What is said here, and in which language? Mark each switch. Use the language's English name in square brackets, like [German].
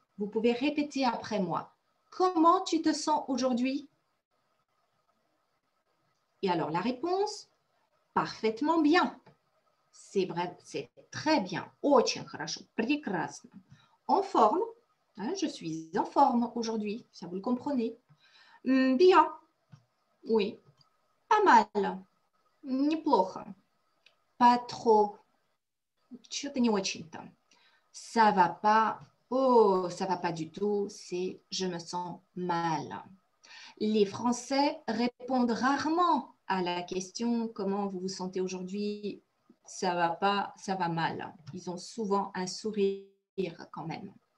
[French] Vous pouvez répéter après moi. Comment tu te sens aujourd'hui? Et alors la réponse? Parfaitement bien. C'est vrai, c'est très bien. [Russian] Очень хорошо, прекрасно. [French] En forme, hein, je suis en forme aujourd'hui, ça vous le comprenez. Bien, oui. Pas mal, [Russian] неплохо. [French] Pas trop, [Russian] что-то не очень-то. [French] Ça va pas, oh, ça va pas du tout, c'est je me sens mal. Les Français répondent rarement à la question « Comment vous vous sentez aujourd'hui ?» Ça va pas, ça va mal. Ils ont souvent un sourire quand même.